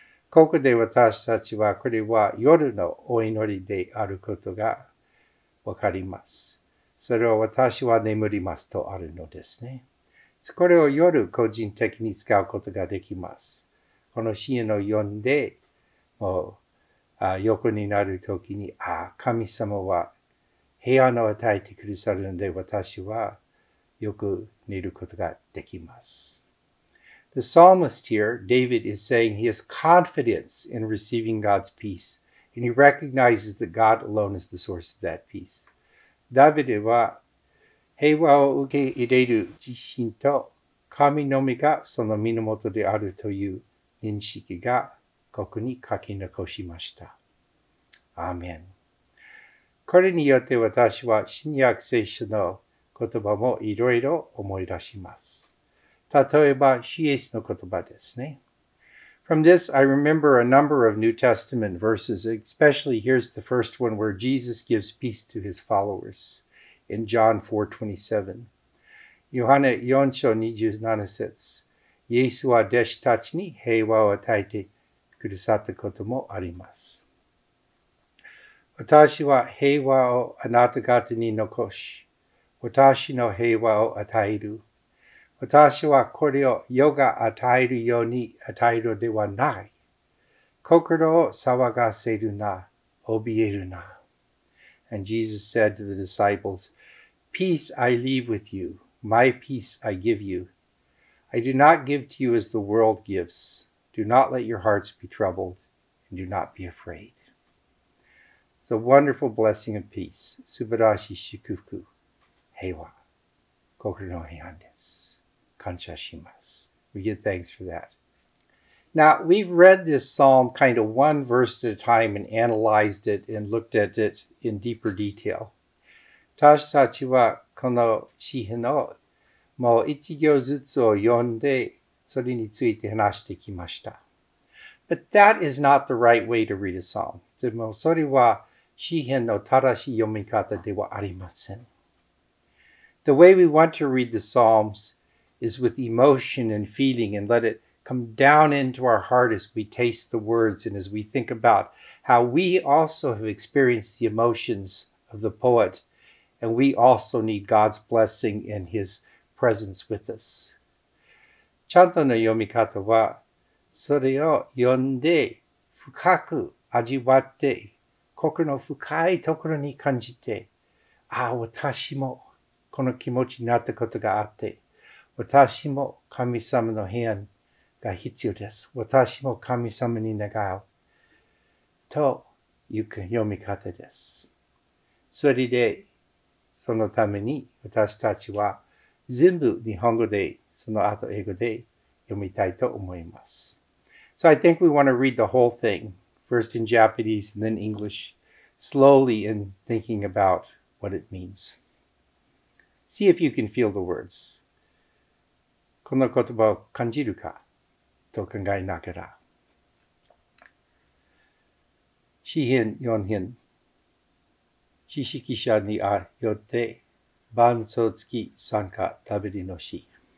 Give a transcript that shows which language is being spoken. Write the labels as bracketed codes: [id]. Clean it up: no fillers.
[ja] ここで私たちは、これは夜のお祈りであることがわかります。それは私は眠りますとあるのですね。これを夜個人的に使うことができます。この詩編を読んで、もう横になるときに、ああ、神様は平安を与えてくださるので私はよく寝ることができます。 [en] The psalmist here, David, is saying he has confidence in receiving God's peace. And he recognizes that God alone is the source of that peace. [ja] ダビデは、平和を受け入れる自信と、神のみがその源であるという認識がここに書き残しました。アーメン。これによって私は新約聖書の言葉もいろいろ思い出します。例えば、シエスの言葉ですね。 [en] From this, I remember a number of New Testament verses, especially here's the first one where Jesus gives peace to his followers in John 4:27. [ja] ヨハネ 4:27 節。イエスは弟子たちに平和を与えてくださったこともあります。私は平和をあなた方に残し、私の平和を与える。私はこれを世が与えるように与えるではない。心を騒がせるな、怯えるな。 [en] And Jesus said to the disciples, Peace I leave with you, my peace I give you. I do not give to you as the world gives. Do not let your hearts be troubled, and do not be afraid. It's a wonderful blessing of peace. [ja] 素晴らしい祝福。平和。心の平安です。感謝します。 [en] We give thanks for that. Now, we've read this psalm kind of one verse at a time and analyzed it and looked at it in deeper detail. [ja] 私たちはこの詩編のもう一行ずつを読んで、それについて話してきました。 [en] But that is not the right way to read a psalm. [ja] でもそれは詩編の正しい読み方ではありません。 [en] The way we want to read the psalms is with emotion and feeling and let it come down into our heart as we taste the words and as we think about how we also have experienced the emotions of the poet and we also need God's blessing and His presence with us. [ja] ちゃんとの読み方は、それを読んで深く味わって、心の深いところに感じて、ああ、私もこの気持ちになったことがあって、私も神様の平安が必要です。私も神様に願う。という読み方です。それで、そのために私たちは全部日本語で、その後英語で読みたいと思います。 [en] So I think we want to read the whole thing, first in Japanese and then English, slowly and thinking about what it means. See if you can feel the words. [ja] この言葉を感じるかと考えながら。詩編四編。知識者によって伴奏付き参加たびりの詩。